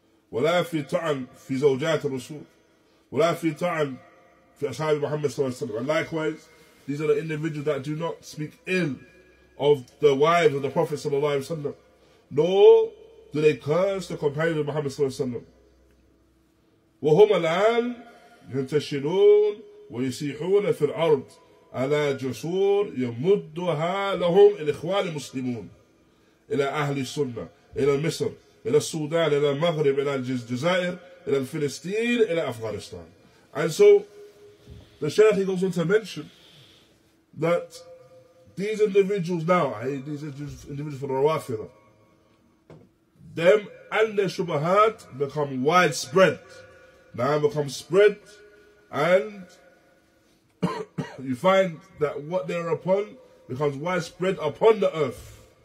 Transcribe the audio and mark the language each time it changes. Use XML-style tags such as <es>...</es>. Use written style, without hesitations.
<ar>وَلَا فِي طَعَمْ فِي زَوْجَاتِ الرَّسُولِ وَلَا فِي طَعَمْ فِي أَصْحَابِ مُحَمَّدٍ صَلَّى اللَّهُ عَلَيْهِ وَسَلَّمَ.</ar> <en>Likewise, these are the individuals that do not speak ill of the wives of the Prophet صلى الله عليه وسلم, nor do they curse the companions of Muhammad صلى الله عليه وسلم.</en> <ar>وَهُمَ الآن يَنْتَشِرُونَ وَيُسِيحُونَ فِي الْأَرْضِ عَلَى جُسُورٍ يَمُدُّهَا لَهُمْ الْإِخْوَانِ الْمُسْلِمُونَ إِلَى أَهْلِ السُّنَّةِ إِلَى مِصْرِ إلى السودان إلى المغرب إلى الجزائر إلى الفلسطين إلى أفغانستان.</ar> <en>And so the Shaykh goes on to mention that these individuals now, these individuals from the Rawafida, them and their Shubahat become widespread. Now become spread, and you find that what they're upon becomes widespread upon the earth.</en>